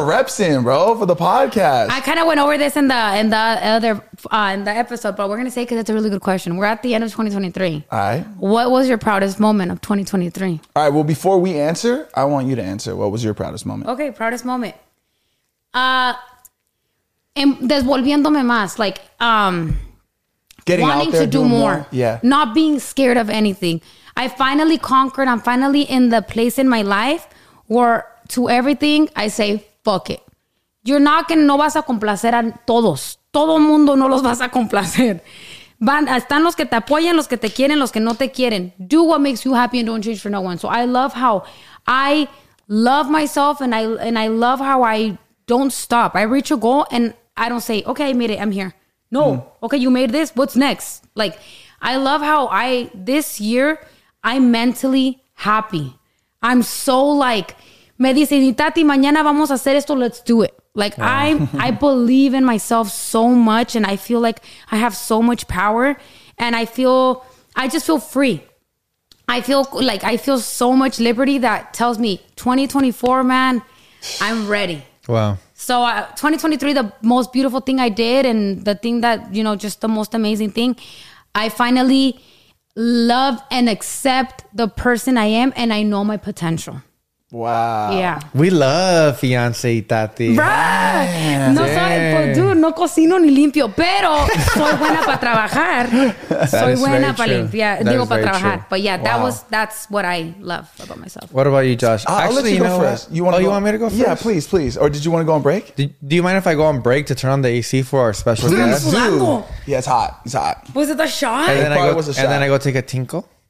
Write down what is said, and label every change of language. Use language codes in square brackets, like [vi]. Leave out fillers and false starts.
[en] Her reps in, bro, for the podcast. I kind of went over this in the episode, but we're going to say, cause it's a really good question. We're at the end of 2023. All right. What was your proudest moment of 2023? All right. Well, before we answer, I want you to answer. What was your proudest moment? Okay. Proudest moment. [es] Desvolviéndome más, like, [en] getting wanting out there, to do more. Yeah. Not being scared of anything. I finally conquered. I'm finally in the place in my life where to everything I say, fuck it. You're not going to, [es] no vas a complacer a todos. Todo mundo no los vas a complacer. Están los que te apoyan, los que te quieren, los que no te quieren. [en] Do what makes you happy and don't change for no one. So I love how I love myself and I love how I don't stop. I reach a goal and I don't say, okay, I made it, I'm here. No. Mm-hmm. Okay, you made this. What's next? Like, I love how I, this year, I'm mentally happy. I'm so like, [es] me dicen, itati, mañana vamos a hacer esto, [en] let's do it. Like, wow. I believe in myself so much, and I feel like I have so much power, and I just feel free. I feel so much liberty that tells me 2024, man, I'm ready. Wow. So 2023, the most beautiful thing I did, and the thing that, you know, just the most amazing thing, I finally love and accept the person I am, and I know my potential. Wow. Yeah. We love fiance Itati. Right. [es] No, dude, no cocino ni limpio, pero soy buena para trabajar. Soy buena para limpiar. Digo para trabajar. [en] True. But yeah, that was, that's what I love about myself. What about you, Josh? I'll let you go first. You want me to go first? Yeah, please, please. Or did you want to go on break? Do you mind if I go on break to turn on the AC for our special please guest? Do. Yeah, it's hot. It's hot. Was it the shot? And then I go take a tinkle?